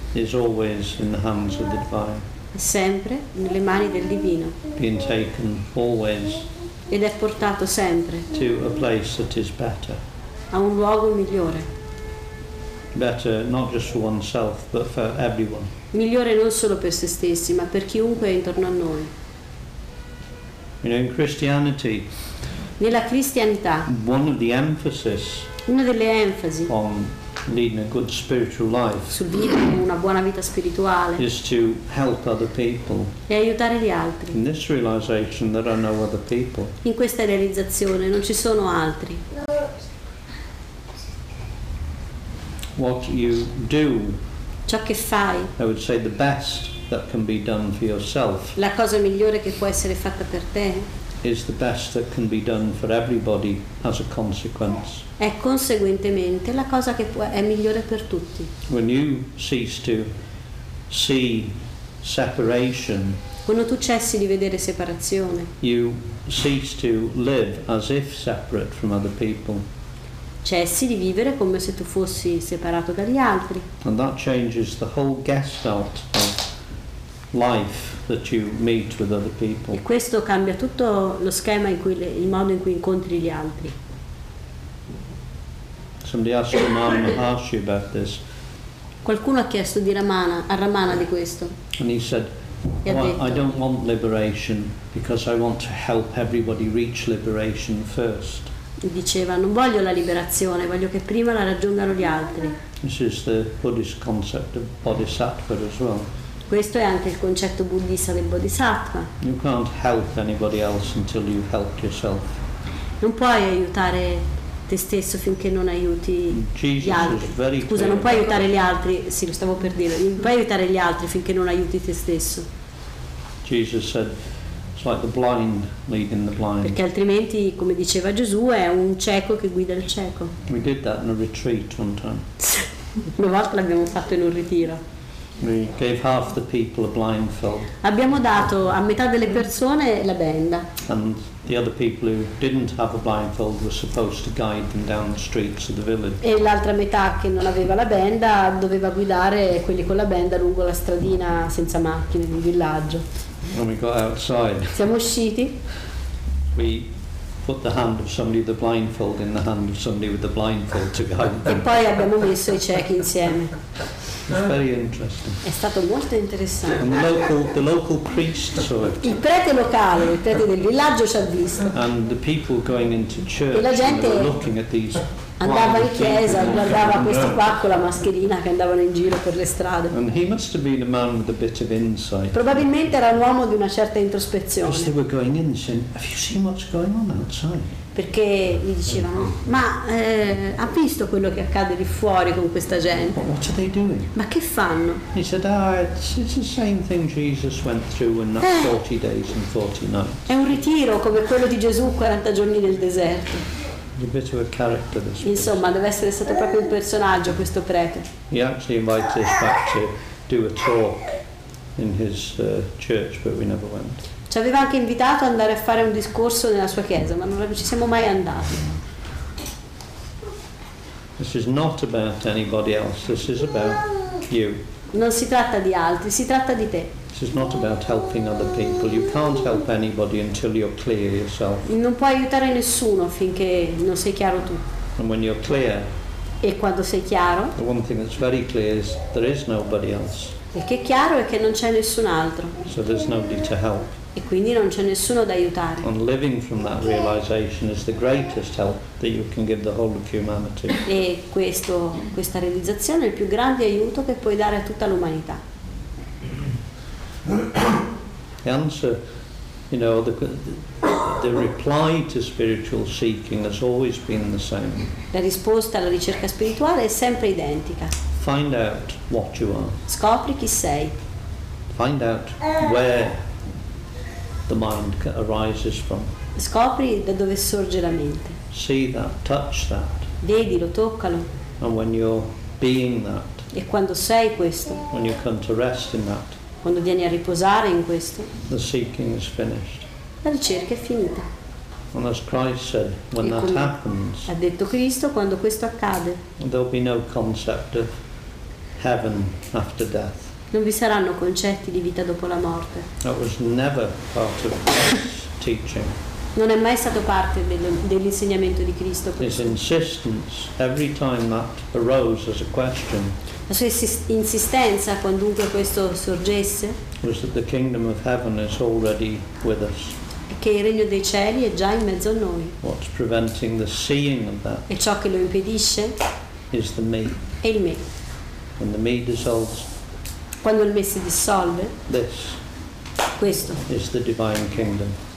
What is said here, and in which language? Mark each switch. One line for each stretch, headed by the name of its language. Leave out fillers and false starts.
English: Is always in the hands of the divine.
Italian: Sempre nelle mani del divino.
English: Being taken always.
Italian: Ed è portato sempre.
English: To a place that is better.
Italian: A un luogo migliore.
English: Better not just for oneself, but for everyone.
Italian: Migliore non solo per se stessi, ma per chiunque è intorno a noi.
English: You know, in Christianity.
Italian: Nella cristianità.
English: One of the emphasis.
Italian: Una delle enfasi.
English: On leading a good spiritual life.
Italian: Su vivere una buona vita spirituale.
English: Is to help other people.
Italian: E aiutare gli altri.
English: In this realization, there are no other people.
Italian: In questa realizzazione non ci sono altri.
English: What you do.
Italian: Ciò che fai.
English: I would say the best that can be done for yourself.
Italian: La cosa migliore che può essere fatta per te.
English: Is the best that can be done for everybody as a consequence.
Italian: È conseguentemente la cosa che è migliore per tutti.
English: When you cease to see separation.
Italian: Quando tu cessi di vedere separazione.
English: You cease to live as if separate from other people.
Italian: Cessi di vivere come se tu fossi separato dagli altri.
English: And that changes the whole gestalt of life that you meet with other people.
Italian: E questo cambia tutto lo schema in cui il modo in cui incontri gli altri.
English: Somebody asked Ramana Maharshi about this.
Italian: Qualcuno ha chiesto di Ramana, a Ramana di questo.
English: And he said, well, I don't want liberation because I want to help everybody reach liberation first.
Italian: Diceva, non voglio la liberazione, voglio che prima la raggiungano gli altri.
English: This is the Buddhist concept of bodhisattva as well.
Italian: Questo è anche il concetto buddista del bodhisattva.
English: You can't help anybody else until you help yourself.
Italian: Non puoi aiutare te stesso finché non aiuti
English: Jesus
Italian: gli altri.
English: Is very
Italian: Scusa,
English: clear.
Italian: Non puoi aiutare gli altri, sì, lo stavo per dire, non puoi aiutare gli altri finché non aiuti te stesso.
English: Jesus said, it's like the blind leading the blind.
Italian: Perché altrimenti, come diceva Gesù, è un cieco che guida il cieco.
English: We did that in a retreat one time.
Italian: Una volta l'abbiamo fatto in un ritiro.
English: We gave half the people a blindfold.
Italian: Abbiamo dato a metà delle persone la benda.
English: And the other people who didn't have a blindfold were supposed to guide them down the streets of the village.
Italian: E l'altra metà che non aveva la benda doveva guidare quelli con la benda lungo la stradina senza macchine del villaggio.
English: When we got outside.
Italian: Siamo usciti.
English: We put the hand of somebody with the blindfold in the hand of somebody with the blindfold to guide them.
Italian: E poi abbiamo messo i ciechi insieme.
English: It's very interesting.
Italian: È stato molto interessante.
English: And the local priest saw it.
Italian: Il prete locale, il prete del villaggio ci ha visto.
English: And the people going into church,
Italian: e la gente
English: and they were looking at these
Italian: andava in chiesa, guardava questi qua con la mascherina che andavano in giro per le strade.
English: And he must have been a man with a bit of insight.
Italian: Probabilmente era un uomo di una certa introspezione.
English: Because they were going in and saying, "Have you seen what's going on outside?"
Italian: Perché gli dicevano, ma ha visto quello che accade lì fuori con questa gente?
English: What are they doing?
Italian: Ma che fanno?
English: He said, it's the same thing Jesus went through in 40 days and 40 nights.
Italian: È un ritiro come quello di Gesù 40 giorni nel deserto.
English: A bit of a character, this
Italian: insomma,
English: person.
Italian: Deve essere stato proprio un personaggio questo prete.
English: He actually invited us back to do a talk in his church, but we never went.
Italian: Ci aveva anche invitato ad andare a fare un discorso nella sua chiesa, ma non ci siamo mai andati.
English: This is not about anybody else, this is about you.
Italian: Non si tratta di altri, si tratta di te.
English: This is not about helping other people. You can't help anybody until you're clear yourself.
Italian: Non puoi aiutare nessuno finché non sei chiaro tu.
English: And when you're clear.
Italian: E quando sei chiaro.
English: The one thing that's very clear is there is nobody else.
Italian: E che è chiaro è che non c'è nessun altro.
English: So there's nobody to help.
Italian: E quindi non c'è nessuno da aiutare.
English: And living from that realization is the greatest help that you can give the whole of humanity.
Italian: E questa realizzazione è il più grande aiuto che puoi dare a tutta l'umanità.
English: The answer, you know, the reply to spiritual seeking has always been the same.
Italian: La risposta alla ricerca spirituale è sempre identica.
English: Find out what you are.
Italian: Scopri chi sei.
English: Find out where the mind arises from.
Italian: Scopri da dove sorge la mente.
English: See that, touch that.
Italian: Vedilo, toccalo.
English: And when you're being that.
Italian: E quando sei questo.
English: When you come to rest in that.
Italian: Quando vieni a riposare in questo.
English: The seeking is finished.
Italian: La ricerca è finita.
English: And as Christ said, when
Italian: e
English: that happens.
Italian: Ha detto Cristo quando questo accade.
English: There'll be no concept of heaven after death.
Italian: Non vi saranno concetti di vita dopo la morte.
English: That was never part of Christ's teaching.
Italian: Non è mai stato parte dell'insegnamento di Cristo.
English: His insistence every time that arose as a question.
Italian: La sua insistenza quando questo sorgesse.
English: Was that the kingdom of heaven is already with us.
Italian: Che il regno dei cieli è già in mezzo a noi.
English: What's preventing the seeing of that?
Italian: E ciò che lo impedisce.
English: Is the me.
Italian: È il me.
English: When the me dissolves.
Italian: Quando il me si dissolve.
English: This.
Italian: Questo.
English: Is the divine kingdom.